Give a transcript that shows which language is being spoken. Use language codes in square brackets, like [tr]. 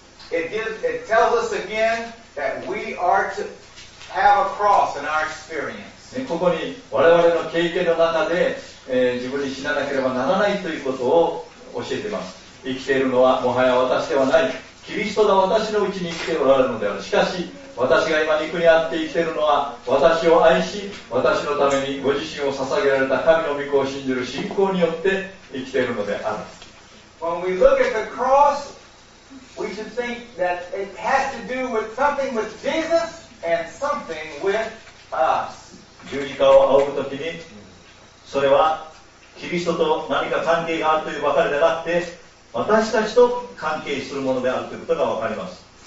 [en] it tells us again that we are to have a cross in our experience. [ja] ここに我々の経験の中で、自分に死ななければならないということを教えています。生きているのはもはや私ではない。キリストが私のうちに生きておられるのである。しかし、私が今肉にあって生きているのは、私を愛し、私のためにご自身を捧げられた神の御子を信じる信仰によって生きているのである。 [en] When we look at the cross, we should think that it has to do with something with Jesus and something with us. [ja] 十字架を仰ぐときに、それはキリストと何か関係があるというばかりではなくて、私たちと関係するものであるということがわかります。